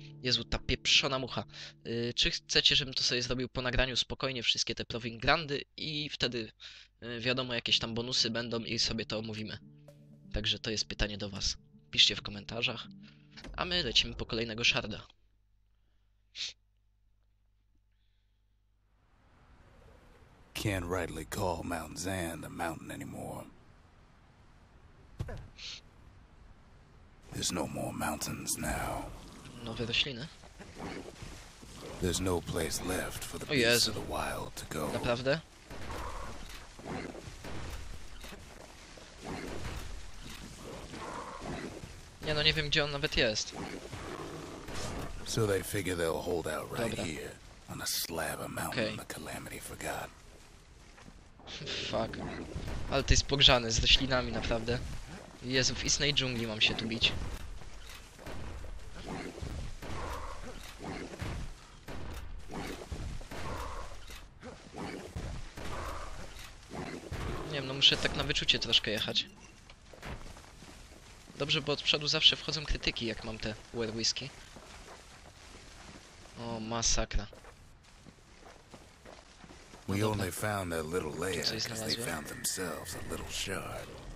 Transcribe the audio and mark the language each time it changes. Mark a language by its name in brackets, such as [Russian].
[Polish] Jezu, ta pieprzona mucha. Czy chcecie, żebym to sobie zrobił po nagraniu spokojnie wszystkie te Proving Grandy i wtedy wiadomo, jakieś tam bonusy będą i sobie to omówimy. Także to jest pytanie do was. Piszcie w komentarzach, a my lecimy po kolejnego szarda. [English] Can't rightly call Mount Zan the mountain anymore. There's no more mountains now. [Polish] Nowe rośliny. [English] There's no place left for the beasts of the wild to go. [Polish] Naprawdę? Nie, no nie wiem, gdzie on nawet jest. [English] So they figure they'll hold out right here on a slab of mountain the calamity forgot. Fuck. [Polish] Ale to jest pogrzane z roślinami, naprawdę. Jezu, w istnej dżungli mam się tu bić. wiem, no muszę tak na wyczucie troszkę jechać. Dobrze, bo od przodu zawsze wchodzą krytyki, jak mam te Wear Whisky. O, masakra. No dobra. [English] We only found that little layer because they found themselves a little shard.